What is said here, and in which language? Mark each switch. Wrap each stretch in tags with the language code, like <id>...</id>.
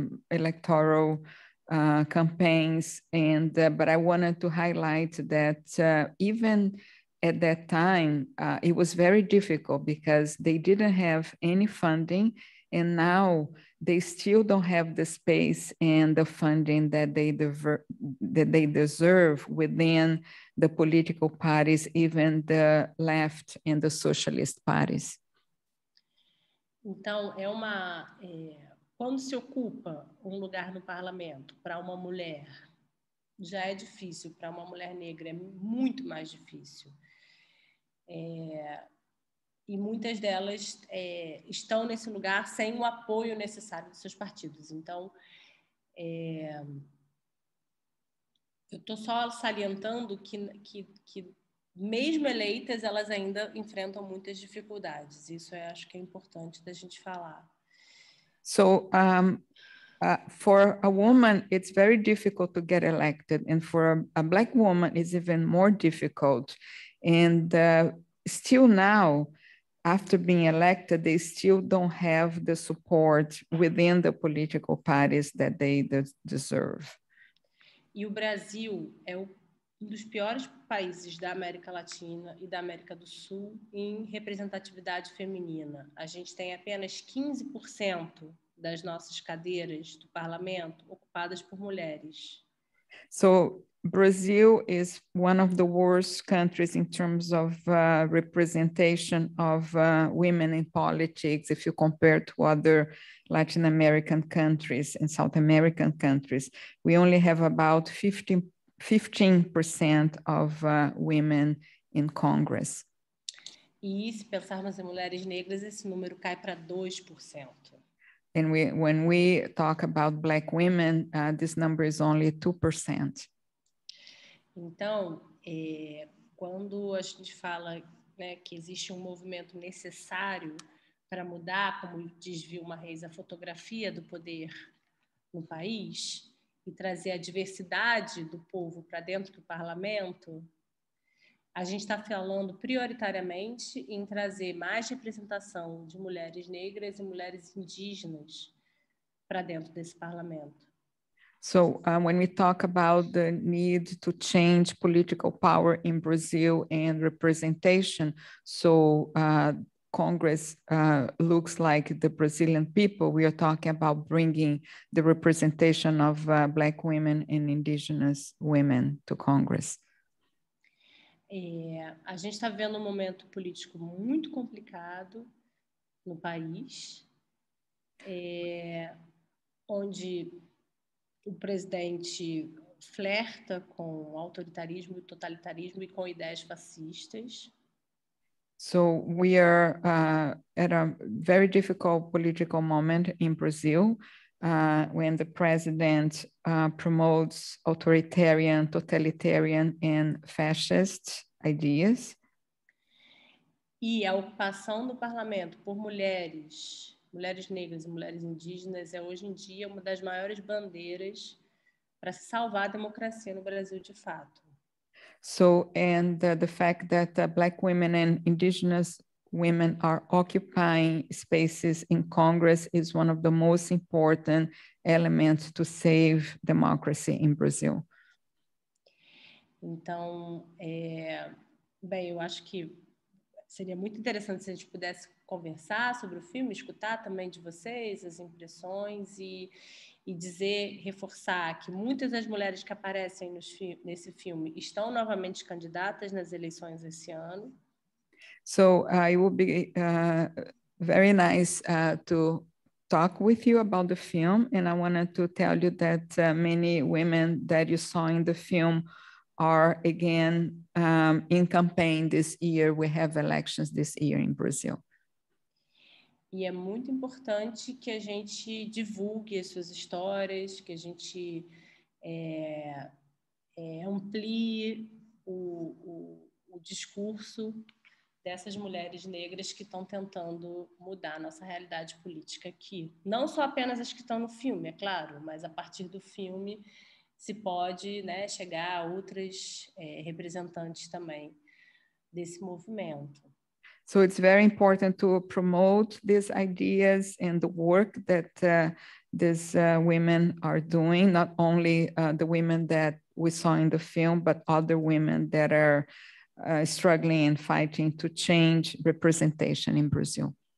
<en>electoral campaigns, and but I wanted to highlight that even at that time it was very difficult because they didn't have any funding, and now they still don't have the space and the funding that they deserve within the political parties, even the left and the socialist parties.</en> <pt>Então é uma quando se ocupa um lugar no parlamento para uma mulher, já é difícil. Para uma mulher negra é muito mais difícil. E muitas delas estão nesse lugar sem o apoio necessário dos seus partidos. Então, eu estou só salientando que mesmo eleitas, elas ainda enfrentam muitas dificuldades. Isso eu acho que é importante da gente falar.</pt> <en>So For a woman, it's very difficult to get elected. And for a Black woman, it's even more difficult. And still now, after being elected, they still don't have the support within the political parties that they deserve.</en> <pt>E o Brasil é um dos piores países da América Latina e da América do Sul em representatividade feminina. A gente tem apenas 15% das nossas cadeiras do parlamento ocupadas por mulheres.</pt> <en>So, Brazil is one of the worst countries in terms of representation of women in politics if you compare to other Latin American countries and South American countries. We only have about 15% of women in Congress.</en> <pt>E se pensarmos em mulheres negras, esse número cai para 2%.</pt> <en>And when we talk about Black women, this number is only 2%.</en> <pt>Então, quando a gente fala, né, que existe um movimento necessário para mudar, como diz Vilma Reis, a fotografia do poder no país e trazer a diversidade do povo para dentro do parlamento, a gente está falando prioritariamente em trazer mais representação de mulheres negras e mulheres indígenas para dentro desse parlamento.</pt> <en>So when we talk about the need to change political power in Brazil and representation, so Congress looks like the Brazilian people, we are talking about bringing the representation of Black women and indigenous women to Congress.</en> <pt>A gente está vivendo um momento político muito complicado no país, onde o presidente flerta com autoritarismo, totalitarismo e com ideias fascistas.</pt> <en>So we are at a very difficult political moment in Brazil, when the president promotes authoritarian, totalitarian and fascist ideas.</en> <pt>E a ocupação do parlamento por mulheres, mulheres negras e mulheres indígenas, é hoje em dia uma das maiores bandeiras para salvar a democracia no Brasil de fato.</pt> <en>So, and the fact that Black women and indigenous women are occupying spaces in Congress is one of the most important elements to save democracy in Brazil.</en> <pt>Então, bem, eu acho que seria muito interessante se a gente pudesse conversar sobre o filme, escutar também de vocês as impressões e dizer, reforçar que muitas das mulheres que aparecem nesse filme estão novamente candidatas nas eleições esse ano.</pt> <en>So, it would be very nice to talk with you about the film, and I wanted to tell you that many women that you saw in the film are again in campaign this year. We have elections this year in Brazil.</en> <pt>E é muito importante que a gente divulgue as suas histórias, que a gente amplie o discurso dessas mulheres negras que estão tentando mudar a nossa realidade política aqui. Não só apenas as que estão no filme, é claro, mas a partir do filme se pode, né, chegar a outras representantes também desse movimento.</pt> <en>So it's very important to promote these ideas and the work that these women are doing, not only the women that we saw in the film, but other women that are struggling and fighting to change representation in Brazil.</en>